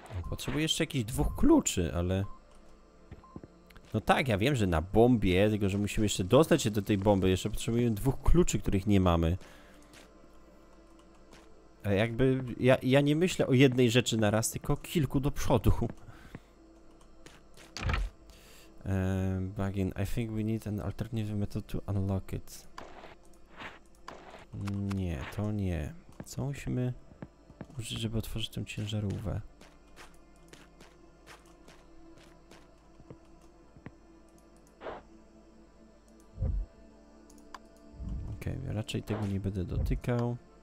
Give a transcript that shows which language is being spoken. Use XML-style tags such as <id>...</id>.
<pl>Potrzebuję jeszcze jakichś dwóch kluczy, ale... No tak, ja wiem, że na bombie, tylko że musimy jeszcze dostać się do tej bomby, jeszcze potrzebujemy dwóch kluczy, których nie mamy. A jakby, ja nie myślę o jednej rzeczy na raz, tylko o kilku do przodu.</pl> <en>Bugin, I think we need an alternative method to unlock it.</en> <pl>Nie, to nie. Co musimy użyć, żeby otworzyć tę ciężarówkę? raczej tego nie będę dotykał.</pl>